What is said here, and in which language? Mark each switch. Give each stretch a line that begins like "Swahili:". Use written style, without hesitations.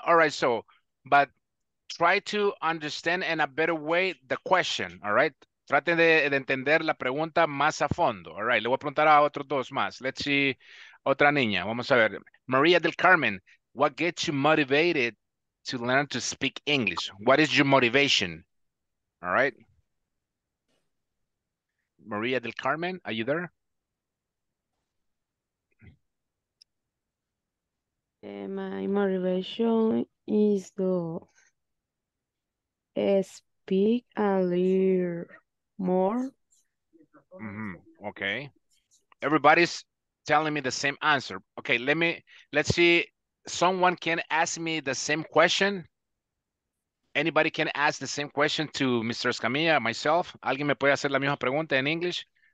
English: All right, so, but try to understand in a better way the question, all right?
Spanish: Traten de entender la pregunta más a fondo, all right? Le voy a preguntar a otros dos más.
English: Let's see,
Spanish: otra niña. Vamos a ver.
English: Maria del Carmen, what gets you motivated to learn to speak English? What is your motivation, all right? Maria del Carmen, are you there? My motivation is to speak a little more. Mm-hmm. Okay. Everybody's telling me the same answer. Okay, let's see. Someone can ask me the same question. Anybody can ask the same question to Mr. Escamilla, myself?
Spanish: ¿Alguien me puede hacer la misma pregunta en English?